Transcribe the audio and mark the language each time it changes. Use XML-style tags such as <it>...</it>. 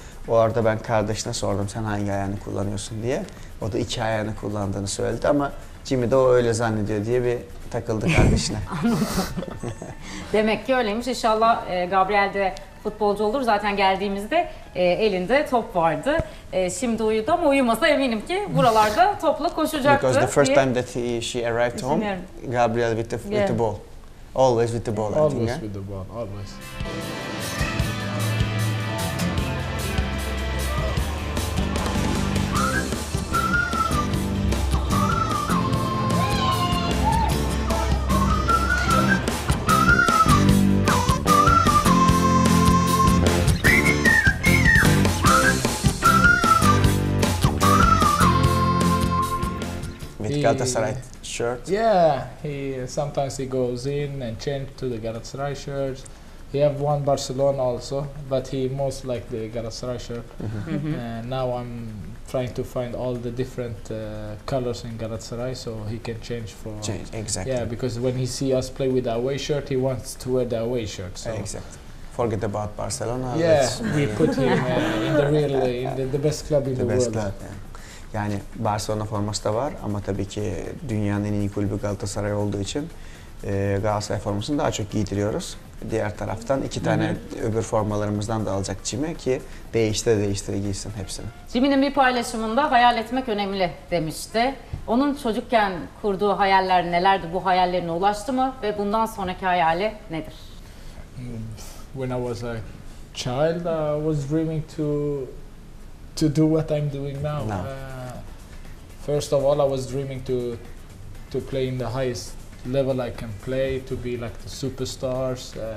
<tr>O arada ben kardeşine sordum sen hangi ayağını kullanıyorsun diye. O da iki ayağını kullandığını söyledi ama Jimmy de o öyle zannediyor diye bir takıldı kardeşine. Demek ki öyleymiş. İnşallah Gabriel de futbolcu olur. Zaten geldiğimizde elinde top vardı. Şimdi uyudu ama uyumasa eminim ki buralarda topla koşacaktı.</tr> <en>Because the first time that she arrived home, Gabriel with the, with the ball. Always with the ball, always I think. Always with the ball, always. With Galatasaray. Shirt. Yeah, he sometimes goes in and change to the Galatasaray shirt. He have one Barcelona also, but he most like the Galatasaray shirt. Now I'm trying to find all the different colors in Galatasaray so he can change for change exactly. Yeah, because when he see us play with away shirt, he wants to wear the away shirt. So exactly. Forget about Barcelona. Yeah, we put him in the real in the best club in the world. Club, yeah.</en> <tr>Yani Barcelona forması da var ama tabii ki dünyanın en iyi kulübü Galatasaray olduğu için Galatasaray formasını daha çok giydiriyoruz. Diğer taraftan iki tane öbür formalarımızdan da alacak Jimmy ki değiştire giysin hepsini. Jimmy'nin bir paylaşımında hayal etmek önemli demişti. Onun çocukken kurduğu hayaller nelerdi? Bu hayallerine ulaştı mı ve bundan sonraki hayali nedir?</tr> <en>When I was a child, I was dreaming to do what I'm doing now. No. First of all, I was dreaming to play in the highest level I can play, to be like the superstars.</en>